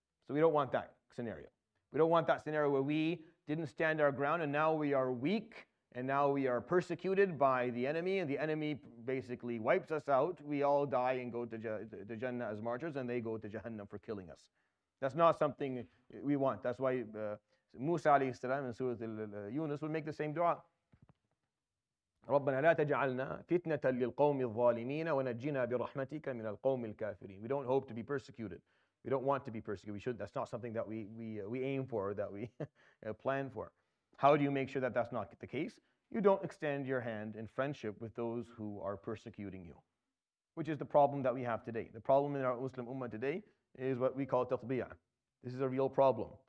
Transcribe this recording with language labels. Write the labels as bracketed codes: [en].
[en] So we don't want that scenario. We don't want that scenario where we didn't stand our ground, and now we are weak, and now we are persecuted by the enemy, and the enemy basically wipes us out. We all die and go to Jannah as martyrs, and they go to Jahannam for killing us. That's not something we want. That's why Musa alayhi salam in Surah Yunus would make the same dua. [ar] رَبَّنَا لَا تَجْعَلْنَا فِتْنَةً لِلْقَوْمِ الظَّالِمِينَ وَنَجِّنَا بِرَحْمَتِكَ مِنَ الْقَوْمِ الْكَافِرِينَ. [en] We don't hope to be persecuted. We don't want to be persecuted. We should. That's not something that we aim for, that we plan for. How do you make sure that that's not the case? You don't extend your hand in friendship with those who are persecuting you, which is the problem that we have today. The problem in our Muslim ummah today is what we call tatbi'ah. This is a real problem.